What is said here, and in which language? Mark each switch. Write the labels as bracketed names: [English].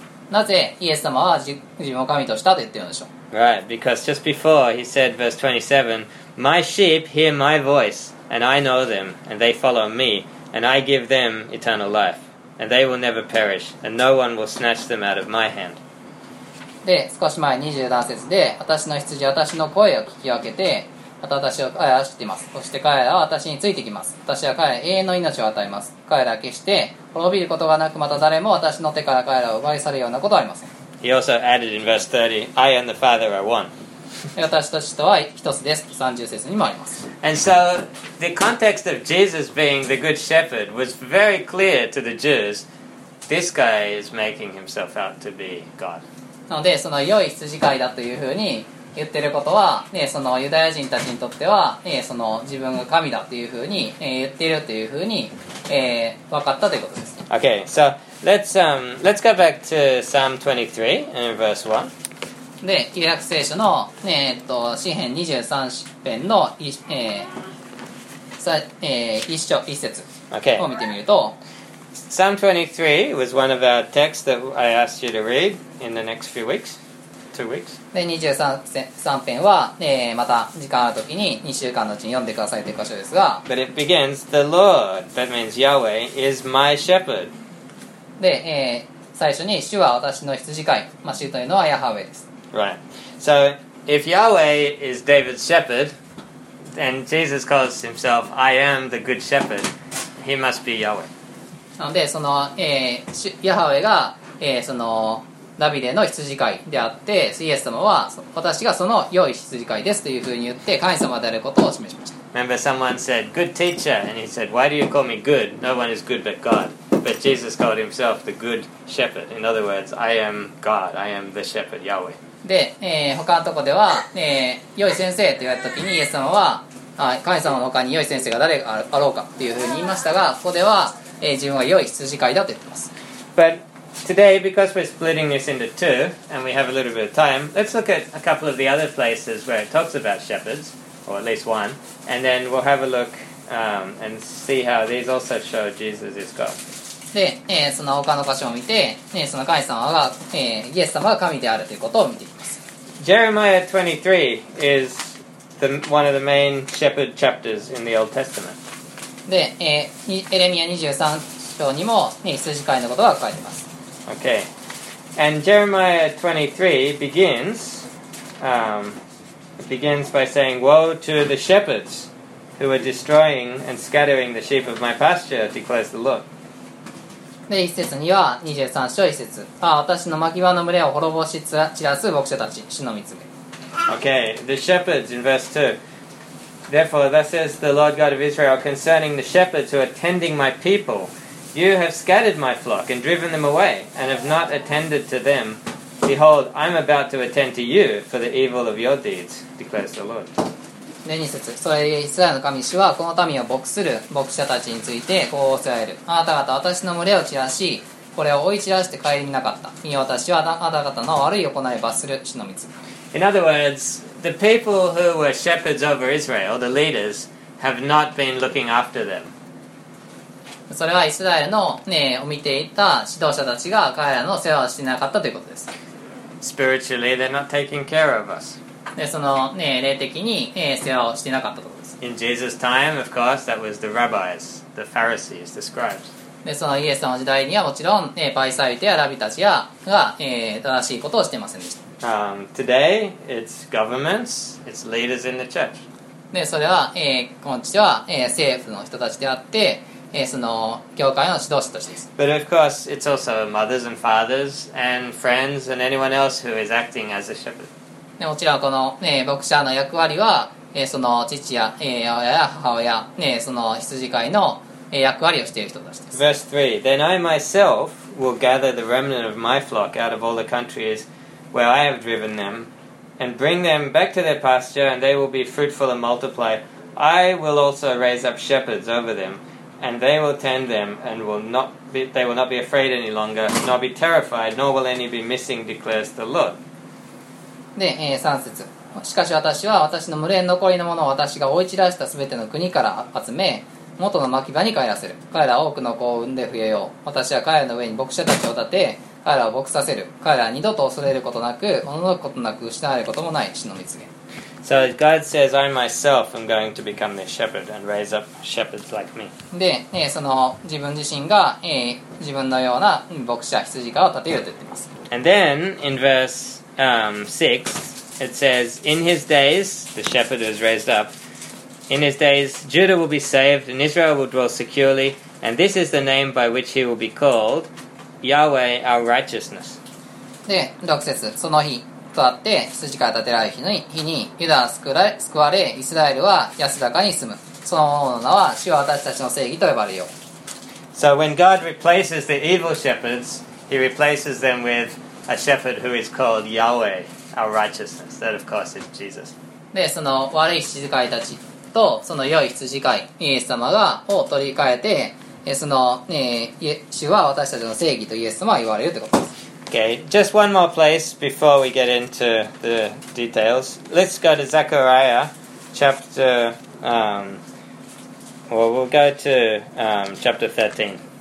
[Japanese] なぜイエス様は自分を神としたと言ってるんでしょう [English] Right, because just before he said verse 27 My sheep hear my voice and I know them and they follow me and I give them eternal life and they will never perish and no one will snatch them out of my hand [Japanese] で少し前27節で私の羊は私の声を聞き分けて私を愛しています。そして彼らは私についてきます。私は彼ら永遠の命を与えます。彼らは決して滅びることがなくまた誰も私の手から彼らを奪い去るようなことはありません。 [English] He also added in verse 30, I and the Father are one. [Japanese] 私と父とは一つです。30節にもあります。 [English] And so the context of Jesus being the good shepherd was very clear to the Jews. This guy is making himself out to be God. [Japanese] なのでその良い羊飼いだというふうに言ってることは、ね、そのユダヤ人たちにとっては、ね、その自分が神だというふうに、言っているというふうに、分かったということです。 [English] Okay, so let's go back to Psalm 23 and verse 1. [Japanese] で、旧約聖書の、ね、詩編23編の、一節を見てみると、 [English] okay. Psalm 23 was one of our texts that I asked you to read in the next few weeks, 2 weeks. [Japanese] で、23編は、また時間あるときに2週間のうちに読んでくださいという箇所ですが。 [English] But it begins, the Lord, that means Yahweh, is my shepherd. [Japanese] で、最初に主は私の羊飼い、まあ、主というのはヤハウェです。 [English] Right. So, if Yahweh is David's shepherd, then Jesus calls himself, I am the good shepherd, he must be Yahweh. [Japanese] なのでその、ヤハウェが、そのダビデの羊飼いであって、イエス様は私がその良い羊飼いですというふうに言って神様であることを示しました。 [English] Remember someone said good teacher and he said why do you call me good? No one is good but God. But Jesus called himself the good shepherd. In other words, I am God. I am the shepherd, Yahweh. [Japanese] で、他のところでは、良い先生と言われた時にイエス様は神様の他に良い先生が誰があろうかというふうに言いましたが、ここでは、自分は良い羊飼いだと言っています。 [English] ButToday, because we're splitting this into two, and we have a little bit of time, let's look at a couple of the other places where it talks about shepherds, or at least one, and then we'll have a look, and see how these also show Jesus is God. [Japanese] で、その他の箇所を見て、その神様が、イエス様が神であるということを見ていきます。 [English] Jeremiah 23 is the, one of the main shepherd chapters in the Old Testament. [Japanese] で、エレミア23章にも、羊飼いのことが書かれています。 [English] Okay, and Jeremiah 23 begins by saying, Woe to the shepherds who are destroying and scattering the sheep of my pasture, declares the Lord. [Japanese] で、1節には23章1節。ああ、私の牧場の群れを滅ぼし散らす牧者たち、主の御告げ。 [English] Okay, the shepherds in verse 2. Therefore, thus says the Lord God of Israel concerning the shepherds who are tending my people. You have scattered my flock and driven them away and have not attended to them. Behold, I'm about to attend to you for the evil of your deeds, declares the Lord. [Japanese] 第二節、それでイスラエルの神主はこの民を牧する牧者たちについてこうおせられる。あなた方は私の群れを散らし、これを追い散らして帰りなかった。見よ、私はあなた方の悪い行いを罰する主の御告げ。 [English] In other words, the people who were shepherds over Israel, the leaders, have not been looking after them. [Japanese] それはイスラエルの、を見ていた指導者たちが彼らの世話をしていなかったということです。 [English] Spiritually, they're not taking care of us. [Japanese] で、その、霊的に、世話をしていなかったということです。 [English] In Jesus' time, of course, that was the rabbis, the Pharisees, the scribes. [Japanese] で、そのイエス様の時代にはもちろん、パリサイ人やラビたちやが、正しいことをしていませんでした。 [English] Today, it's governments, it's leaders in the church. [Japanese] で、それは、今日は、政府の人たちであって、その教会の指導者としてです。 [English] But of course, it's also mothers and fathers and friends and anyone else who is acting as a shepherd. [Japanese] でもちろんこの、牧者の役割は、その父や、親や母親、その羊飼いの、役割をしている人たちです。 [English] Verse 3 Then I myself will gather the remnant of my flock out of all the countries where I have driven them and bring them back to their pasture and they will be fruitful and multiply. I will also raise up shepherds over themAnd they will tend them, and will not be afraid any longer, nor be terrified, nor will any be missing, declares the Lord. [Japanese] で、3節。しかし私は私の群れの残りのものを私が追い散らしたすべての国から集め、元の牧場に帰らせる。彼ら多くの子を産んで増えよう。私は彼らの上に牧者たちを立て、彼らを牧させる。彼らは二度と恐れることなく、おののくことなく失われることもない、主の御告げ。 [English] So God says, I myself am going to become their shepherd and raise up shepherds like me. [Japanese] で、その自分自身が、自分のような牧者、羊飼いを立てると言っています。 [English] And then in verse 6, it says, In his days, the shepherd was raised up. In his days, Judah will be saved and Israel will dwell securely. And this is the name by which he will be called, Yahweh, our righteousness. [Japanese] で、6節、その日。とあって羊から立てられる日にユダは救われイスラエルは安らかに住む。その名は主は私たちの正義と呼ばれよう。 [English] So when God replaces the evil shepherds, He replaces them with a shepherd who is called Yahweh, our righteousness. That of course is Jesus. [Japanese] で、その悪い羊飼いたちとその良い羊飼いイエス様がを取り替えて、その、主は私たちの正義とイエス様は言われるということです。 [English] Okay, just one more place before we get into the details. Let's go to Zechariah chapter, we'll go to chapter 13.